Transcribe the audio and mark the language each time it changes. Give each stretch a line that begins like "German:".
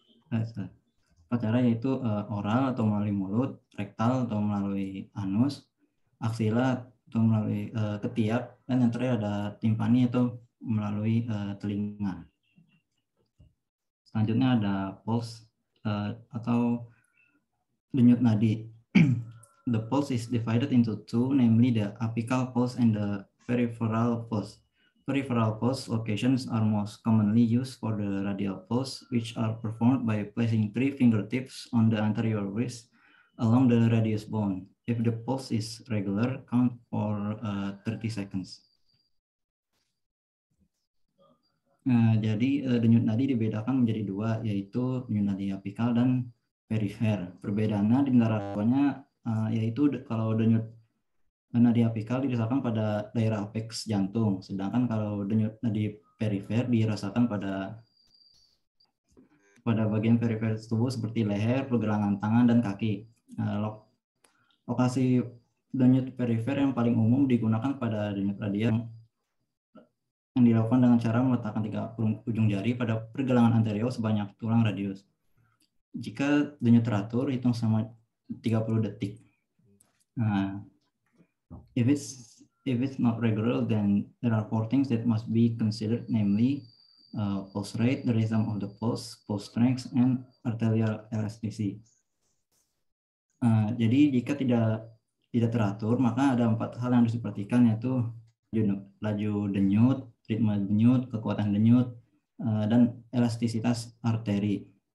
Indonesian: Empat cara yaitu oral atau melalui mulut, rektal atau melalui anus, aksila atau melalui ketiak, dan yang terakhir ada timpani atau melalui telinga. Selanjutnya ada pulse atau denyut nadi.
English: The pulse is divided into two, namely the apical pulse and the peripheral pulse. Peripheral pulse locations are most commonly used for the radial pulse, which are performed by placing three fingertips on the anterior wrist along the radius bone. If the pulse is regular, count for 30 seconds.
Indonesian: Jadi denyut nadi dibedakan menjadi dua, yaitu denyut nadi apikal dan perifer. Perbedaannya di antara keduanya yaitu kalau denyut nadi apikal dirasakan pada daerah apex jantung, sedangkan kalau denyut nadi perifer dirasakan pada bagian perifer tubuh seperti leher, pergelangan tangan, dan kaki. Lokasi denyut perifer yang paling umum digunakan pada denyut radial yang dilakukan dengan cara meletakkan tiga ujung jari pada pergelangan anterior sebanyak tulang radius. Jika denyut teratur, hitung sama 30 detik.
English: If it's not regular, then there are four things that must be considered, namely pulse rate, the rhythm of the pulse strength, and arterial elasticity.
Indonesian: Jadi jika tidak teratur, maka ada empat hal yang harus diperhatikan, yaitu laju denyut, ritme denyut, kekuatan denyut, dan elastisitas arteri.